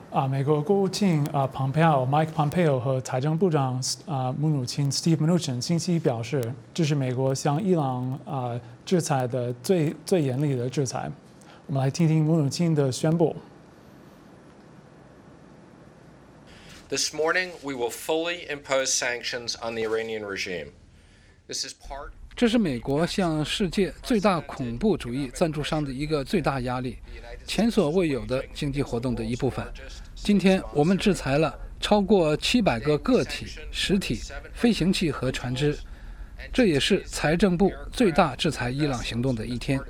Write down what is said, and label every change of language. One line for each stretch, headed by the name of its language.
Chinese: 美国国务卿Mike Pompeo 和财政部长穆努钦 Steve Mnuchin 星期一表示，这是美国向伊朗制裁的最严厉的制裁。我们来听听穆努钦的宣布。
English: This morning we will fully impose sanctions on the Iranian regime. This is part.
Chinese: 这是美国向世界最大恐怖主义赞助商的一个最大压力，前所未有的经济活动的一部分。今天我们制裁了超过700个个体、实体、飞行器和船只，这也是财政部最大制裁伊朗行动的一天。